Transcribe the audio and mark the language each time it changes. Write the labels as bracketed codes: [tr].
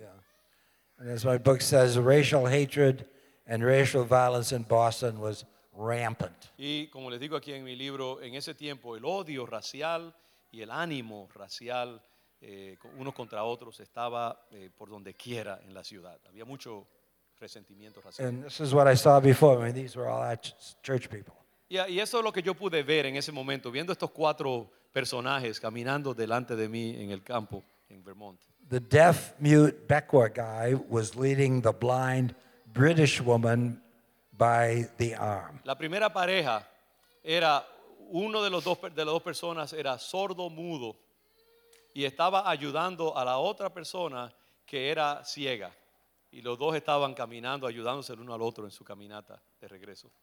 [en] Yeah. And as my book says, racial hatred and racial violence in Boston was rampant. [es] Y como les digo aquí en mi libro, en ese tiempo el odio racial y el ánimo racial unos contra otros estaba por donde quiera en la ciudad. Había mucho resentimiento racial. [en] And this is what I saw before. I mean, these were all church people. [es] Yeah, y eso es lo que yo pude ver en ese momento, viendo estos cuatro personajes caminando delante de mí en el campo en Vermont. [en] The deaf mute Bekwa guy was leading the blind British woman by the arm. [es] La primera pareja era uno de las dos personas era sordo mudo y estaba ayudando a la otra persona que era ciega. Y los dos estaban caminando ayudándose el uno al otro en su caminata de regreso.